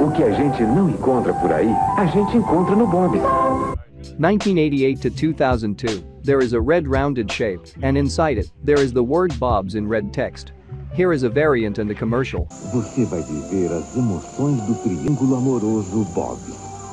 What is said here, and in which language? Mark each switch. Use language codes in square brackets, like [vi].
[pt] O que a gente não encontra por aí, a gente encontra no Bob's. [en] 1988 to 2002, there is a red rounded shape, and inside it, there is the word Bob's in red text. Here is a variant and a commercial. [pt] Você vai viver as emoções do triângulo amoroso Bob's.